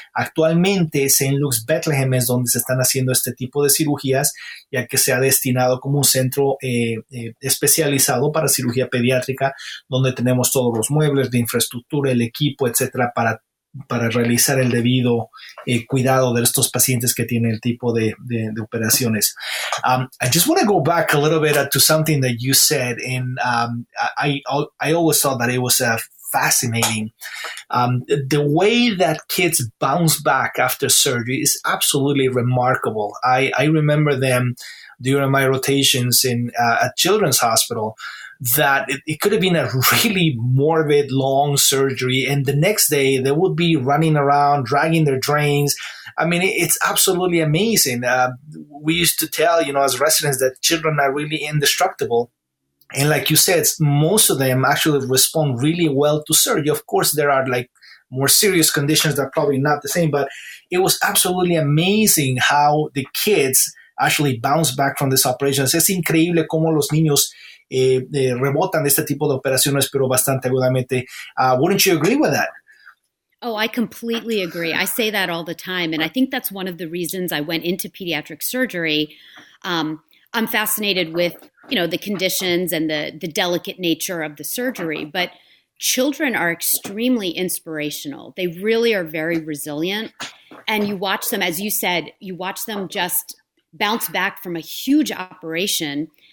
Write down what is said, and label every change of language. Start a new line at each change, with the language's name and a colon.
Spanish: Actualmente, St. Luke's Bethlehem es donde se están haciendo este tipo de cirugías, ya que se ha destinado como un centro especializado para cirugía pediátrica, donde tenemos todos los muebles, la infraestructura, el equipo, etcétera, para realizar el debido cuidado de estos pacientes que tienen el tipo de operaciones.
English: I just want to go back a little bit to something that you said, and I always thought that it was fascinating. The way that kids bounce back after surgery is absolutely remarkable. I remember them during my rotations in at Children's Hospital, that it could have been a really morbid, long surgery, and the next day they would be running around, dragging their drains. I mean, it's absolutely amazing. We used to tell, you know, as residents, that children are really indestructible. And like you said, most of them actually respond really well to surgery. Of course, there are like more serious conditions that are probably not the same, but it was absolutely amazing how the kids actually bounce back from this operation.
Spanish: Es increíble cómo los niños rebotan este tipo de operaciones, pero bastante agudamente.
English: Wouldn't you agree with that? Oh, I completely agree. I say that all the time. And I think that's one of the reasons I went into pediatric surgery. I'm fascinated with, you know, the conditions and the delicate nature of the surgery. But children are extremely inspirational. They really are very resilient. And you watch them, as you said, you watch them just bounce back from a huge operation.